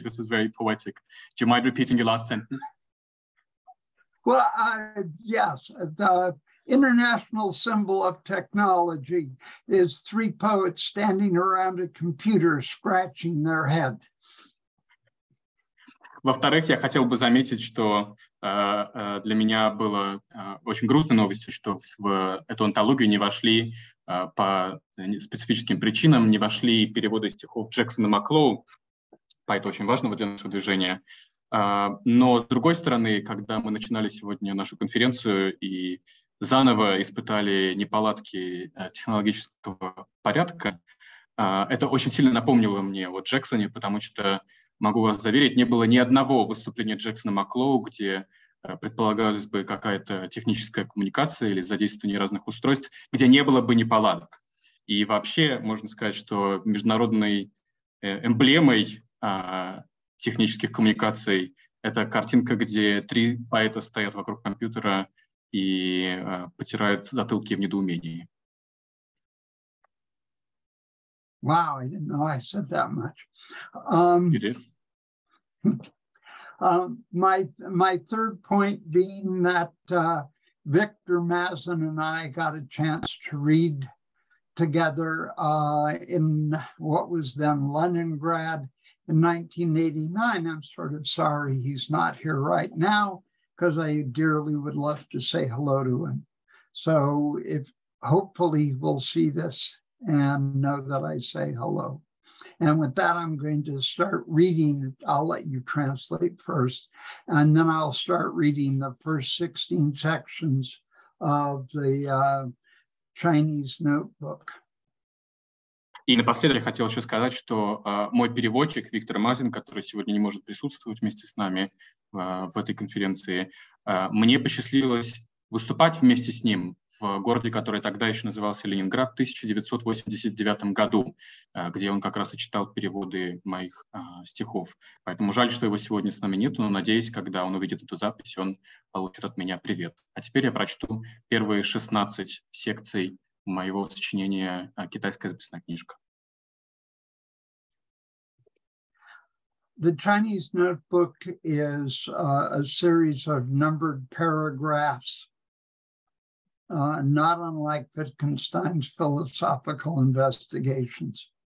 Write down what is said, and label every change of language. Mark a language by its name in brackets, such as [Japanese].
[English] This is very poetic. Do you mind repeating your last sentence? Well, yes. The international symbol of technology is three poets standing around a computer scratching their head. [Russian] Во-вторых, я хотел бы заметить, что для меня было очень грустной новостью, что в эту антологию не вошли по специфическим причинам, не вошли переводы стихов Джексона Маклоу, поэта очень важного для нашего движения. Но, с другой стороны, когда мы начинали сегодня нашу конференцию и заново испытали неполадки технологического порядка, это очень сильно напомнило мне о Джексоне, потому что могу вас заверить, не было ни одного выступления Джексона Маклоу, где предполагалась бы какая-то техническая коммуникация или задействование разных устройств, где не было бы неполадок. И вообще, можно сказать, что международной эмблемой технических коммуникаций это картинка, где три поэта стоят вокруг компьютера и потирают затылки в недоумении. [English] Wow, I didn't know I said that much. You did. My third point being that Victor Mazin and I got a chance to read together in what was then Leningrad in 1989. I'm sort of sorry he's not here right now because I dearly would love to say hello to him. So if hopefully we'll see this and know that I say hello. And with that, I'm going to start reading. I'll let you translate first, and then I'll start reading the first 16 sections of the Chinese notebook. [Russian] И напоследок хотел еще сказать, что мой переводчик Виктор Мазин, который сегодня не может присутствовать вместе с нами в этой конференции, мне посчастливилось выступать вместе с ним в городе, который тогда еще назывался Ленинград, в 1989 году, где он как раз и читал переводы моих стихов. Поэтому жаль, что его сегодня с нами нет, но надеюсь, когда он увидит эту запись, он получит от меня привет. А теперь я прочту первые 16 секций моего сочинения «Китайская записная книжка». [English] The Chinese notebook is a series of numbered paragraphs. Not unlike Wittgenstein's philosophical investigations.